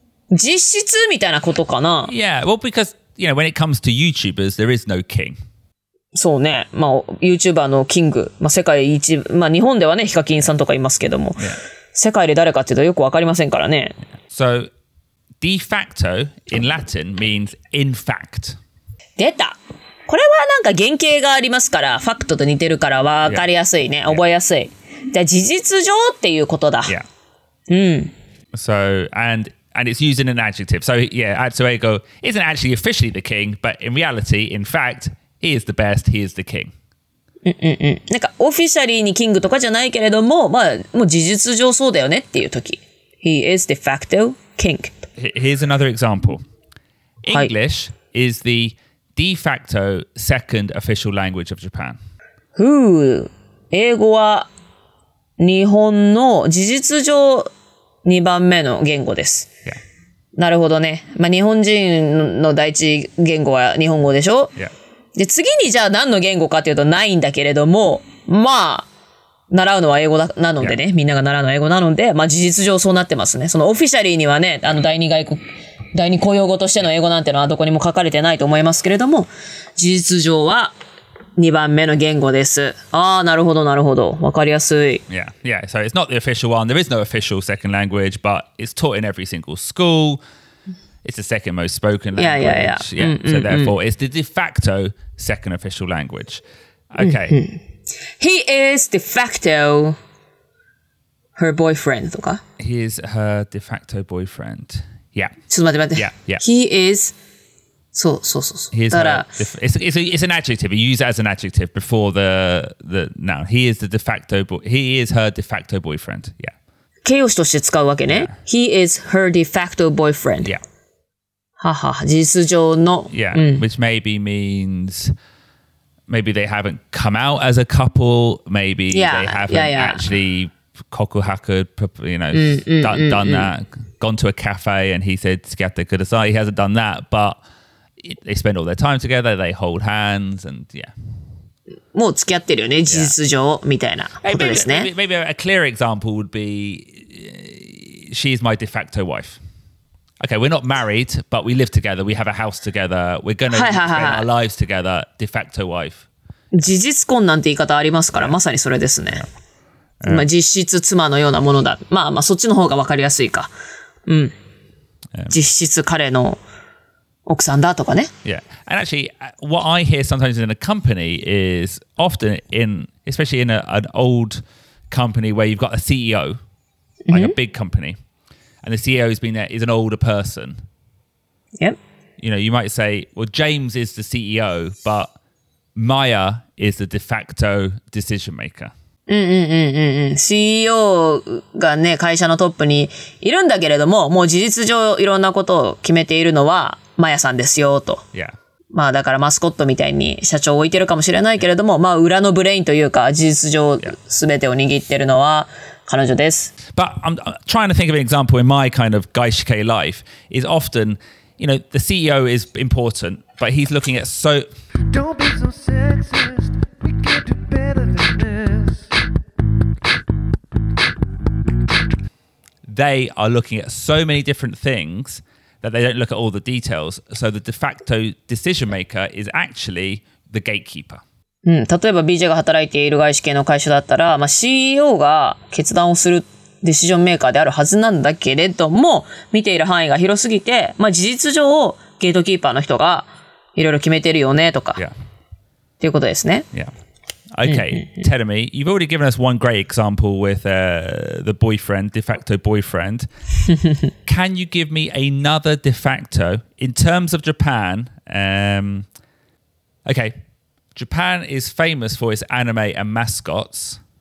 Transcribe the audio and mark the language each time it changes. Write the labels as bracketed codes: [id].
[ja] 実質みたいなことかな? [en] Yeah, well, because, you know, when it comes to YouTubers, there is no king. [ja] そうね。まあ、YouTuber のキング。まあ、世界一、まあ、日本ではね、ヒカキンさんとかいますけども。 [en] Yeah. [ja] 世界で誰かっていうとよくわかりませんからね。 [en] So, de facto in Latin means in fact. [ja] 出た。これはなんか原型がありますから、ファクトと似てるからわかりやすいね。Yeah. 覚えやすい。じゃあ、事実上っていうことだ。 [en] Yeah. [ja] うん。 [en] So, and it's used in an adjective. So yeah, Atsuego isn't actually officially the king, but in reality, in fact, he is the best, he is the king. [ja] なんかオフィシャリーにキングとかじゃないけれども、まあ、もう事実上そうだよねっていう時。 [en] He is de facto king. Here's another example. English、はい、is the de facto second official language of Japan. Who? [ja] 英語は日本の事実上2番目の言語です。なるほどね。まあ、日本人の第一言語は日本語でしょ、 [en] yeah. [ja] で、次にじゃあ何の言語かっていうとないんだけれども、まあ、習うのは英語なのでね、みんなが習うのは英語なので、まあ事実上そうなってますね。そのオフィシャリーにはね、あの第二外国、第二公用語としての英語なんてのはどこにも書かれてないと思いますけれども、事実上は2番目の言語です。ああ、なるほど、なるほど。わかりやすい。 [en] Yeah, yeah. So it's not the official one. There is no official second language, but it's taught in every single school. It's the second most spoken language. Yeah, yeah, yeah. So therefore, it's the de facto second official language. Okay. He is de facto her boyfriend, とか? He is her de facto boyfriend. Yeah. [ja] ちょっと待って待って。 [en] Yeah, yeah. He is... [ja] そうそうそうそう。 [en] He is [ja] だから、 [en] it's an adjective. You use it as an adjective before the noun. He is the de facto boy. He is her de facto boyfriend. Yeah. [ja] 形容詞として使うわけね。 [en] Yeah. He is her de facto boyfriend. Yeah. [ja] Haha. 事実上の。 [en] Yeah.、うん、Which maybe means maybe they haven't come out as a couple. Maybe they haven't actually kokuhaku. You know, done that. Gone to a cafe and he said [ja] "sukiatte kudasai." [en] He hasn't done that, but. They spend all their time together, they hold hands, and yeah. [ja] もう付き合ってるよね、事実上、みたいなことですね。 [en] Maybe a clear example would be, she's my de facto wife. Okay, we're not married, but we live together, we have a house together, we're gonna spend our lives together, de facto wife. [ja] 事実婚なんて言い方ありますから、まさにそれですね。まあ実質妻のようなものだ。まあまあそっちの方がわかりやすいか。うん。実質彼の奥さんだとかね。 [en] Yeah. And actually, what I hear sometimes in a company is often in, especially in an old company where you've got a CEO, like、mm-hmm. a big company, and the CEO has been there, is an older person. Yep. You know, you might say, well, James is the CEO, but Maya is the de facto decision maker. [ja] CEO がね、会社のトップにいるんだけれども、もう事実上いろんなことを決めているのは、マヤさんですよと、 [en] yeah. [ja] まあだからマスコットみたいに社長を置いてるかもしれないけれども、yeah. まあ裏のブレインというか事実上すべてを握ってるのは彼女です。 [en] But I'm trying to think of an example in my kind of 外資系 life is often, you know, the CEO is important, but he's looking at so. Don't be so sexist. We could do better than this. They are looking at so many different things. That they don't look at all the details. So the de facto decision maker is actually the gatekeeper. [ja] うん、例えば BJ が働いている外資系の会社だったら、まあ、CEO が決断をするディシジョンメーカーであるはずなんだけれども、見ている範囲が広すぎて、まあ、事実上ゲートキーパーの人がいろいろ決めてるよねとか、 [en] yeah. [ja] っていうことですね。 [en] Yeah. Okay, tell me, you've already given us one great example with the boyfriend, de facto boyfriend. Can you give me another de facto in terms of Japan? Okay, Japan is famous for its anime and mascots.